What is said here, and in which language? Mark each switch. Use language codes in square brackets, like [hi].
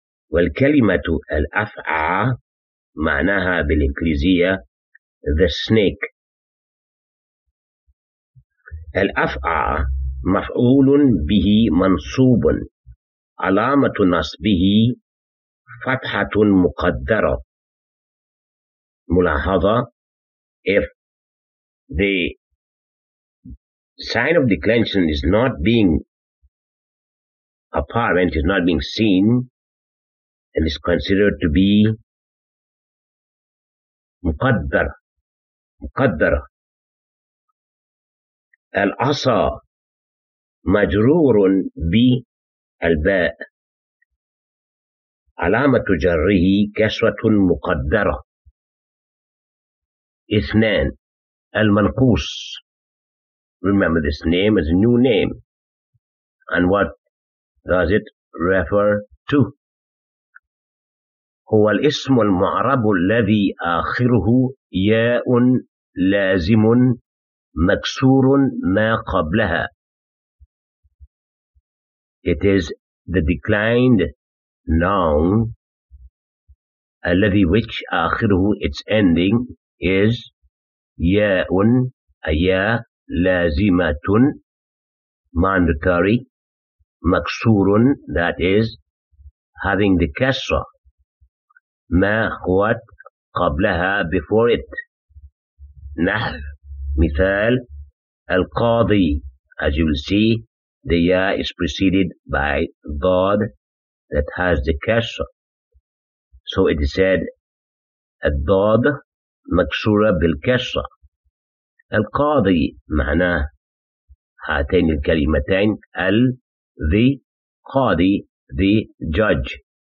[ar] والكلمة الأفعى معناها بالإنجليزية [en] the snake. [ar] الأفعى مفعول به منصوب، علامة نصبه فتحة مقدرة. [en] ملاحظة: If the sign of declension is not being apparent, is not being seen, then is considered to be مقدر. [ar] مقدرة. العصا مجرور بالباء، علامة جره كسوة مقدرة. اثنان، المنقوص. [en] Remember this name is a new name. And what does it refer to? [ar] هو الاسم المعرب الذي آخره ياء لازم مكسور ما قبلها. [en] It is the declined noun الذي which آخره its ending is [ar] ياء أيا لازمة [en] mandatory [ar] مكسور [en] that is having the كسرة ما what [ar] قبلها [en] before it. [ar] نحو، مثال: القاضي. [en] As you will see, the ya is preceded by dad that has the kasra. So it is said, [ar] الضاد مكسورة بالكسرة. القاضي معناه هاتين الكلمتين ال the قاضي [en] the judge.